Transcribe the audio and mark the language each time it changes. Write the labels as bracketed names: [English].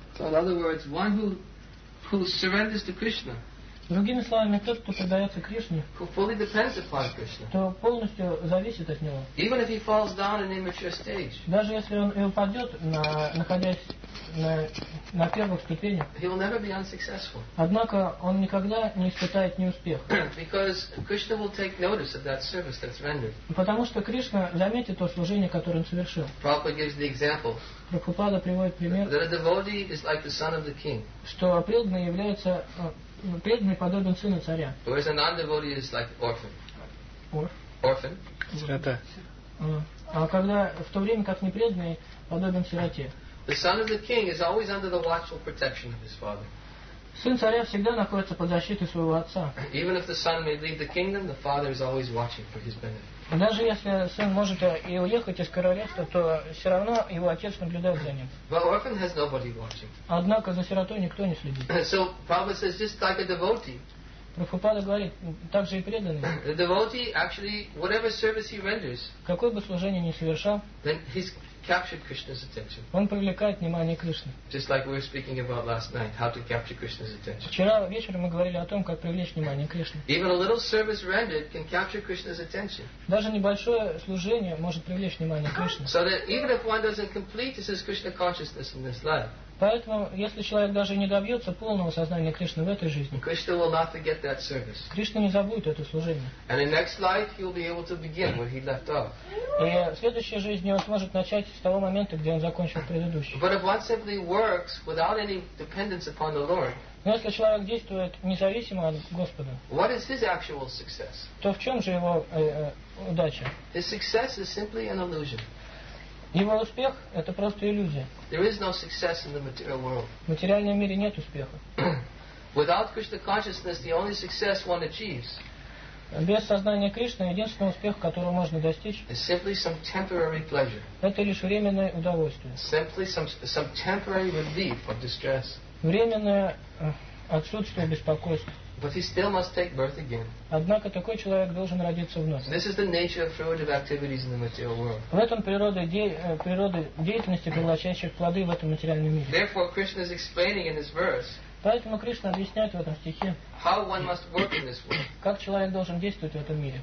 [English] So in other words, one who surrenders to Krishna, [Russian] Другими словами, тот, кто предается Кришне, [English] who fully depends upon Krishna, [Russian] то полностью зависит от него. [English] Even if he falls down in immature stage, [Russian] даже если он и упадет, находясь на первых ступенях, [English] he will never be unsuccessful. [Russian] Однако он никогда не испытает неуспех. [English] Because Krishna will take notice of that service that's rendered. [Russian] Потому что Кришна заметит то служение, которое он совершил. [English] Prabhupada gives the example. [Russian] Прабхупада приводит пример, [English] that a devotee is like the son of the king. [Russian] Что преданный является преданный подобен сыну царя. [English] Whereas a non-devotee is like orphan. Orphan. [Russian] Сирота. А когда в то время как непреданный подобен сироте. [English] The son of the king is always under the watchful protection of his father. [Russian] Сын царя всегда находится под защитой своего отца. [English] Even if the son may leave the kingdom, the father is always watching for his benefit. [Russian] Даже если сын может и уехать из королевства, то все равно его отец наблюдает за ним. [English] But orphan has nobody watching. [Russian] Однако за сиротой никто не следит. [English] So Prabhupada says just like a devotee. [Russian] Прабхупада говорит, так же и преданный. [English] The devotee actually whatever service he renders. [Russian] Какое бы служение ни совершал. [English] Then he's captured Krishna's attention. [Russian] Он привлекает внимание Кришны. [English] Just like we were speaking about last night, how to capture Krishna's attention. [Russian] Вчера вечером мы говорили о том, как привлечь внимание Кришны. [English] Even a little service rendered can capture Krishna's attention. [Russian] Даже небольшое служение может привлечь внимание Кришны. [English] So that even if one doesn't complete this is Krishna consciousness in this life. [Russian] Поэтому, если человек даже не добьется полного сознания Кришны в этой жизни, [English] Krishna will not forget that service. [Russian] Кришна не забудет это служение. [English] And in next life he will be able to begin where he left off. [Russian] И в следующей жизни он сможет начать с того момента, где он закончил предыдущий. [English] But if one simply works without any dependence upon the Lord, [Russian] но если человек действует независимо от Господа, [English] what is his actual success? [Russian] То в чем же его удача? [English] His success is simply an illusion. [Russian] Его успех — это просто иллюзия. [English] There is no success in the material world. [Russian] В материальном мире нет успеха. [English] Without Krishna consciousness, the only success one achieves. [Russian] Без сознания Кришны единственный успех, которого можно достичь, [English] is simply some temporary pleasure. [Russian] Это лишь временное удовольствие. [English] Simply some temporary relief of distress. [Russian] Временное отсутствие беспокойства. [English] But he still must take birth again. [Russian] Однако такой человек должен родиться вновь. [English] This is the nature of fruitive activities in the material world. [Russian] В этом природа деятельности приносящих плоды в этом материальном мире. [English] Therefore, Krishna is explaining in this verse. [Russian] Поэтому Кришна объясняет в этом стихе. [English] How one must work in this world. [Russian] Как человек должен действовать в этом мире.